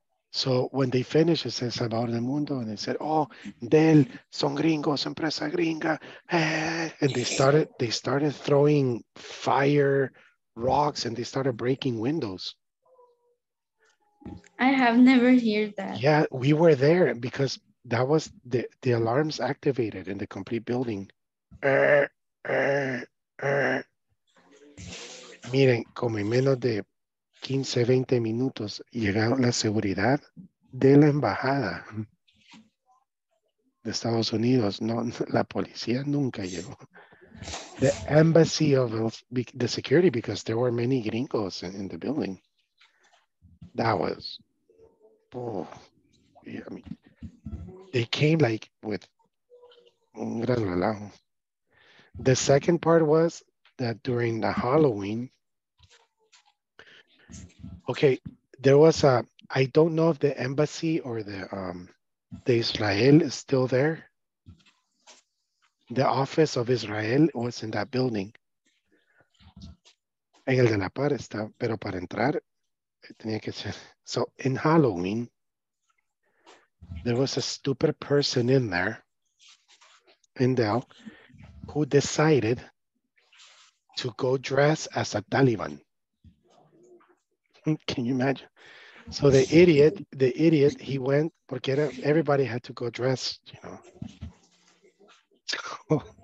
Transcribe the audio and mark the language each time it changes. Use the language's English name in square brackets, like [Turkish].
[English] So when they finished, it says Salvador del Mundo, and they said, "Oh, Dell, [Spanish] son gringos, empresa gringa," [English] and they started throwing fire rocks, and they started breaking windows. I have never heard that. Yeah, we were there because that was the alarms activated in the complete building. [Spanish] Miren, como en menos de 15, 20 minutos llegaron la seguridad de la embajada de Estados Unidos. No, la policía nunca llegó. [English] The embassy of the security, because there were many gringos in the building. That was, yeah, I mean, they came like with [Spanish] un gran relajo. [English] The second part was that during the Halloween, okay, there was a, I don't know if the embassy or the Israel is still there. The office of Israel was in that building. [Spanish] En el de la par está, pero para entrar, tenía que ser. [English] So in Halloween, there was a stupid person in there, in Dell, who decided to go dress as a Taliban. Can you imagine? So the idiot, he went, [Spanish] porque era, [English] everybody had to go dress, you know.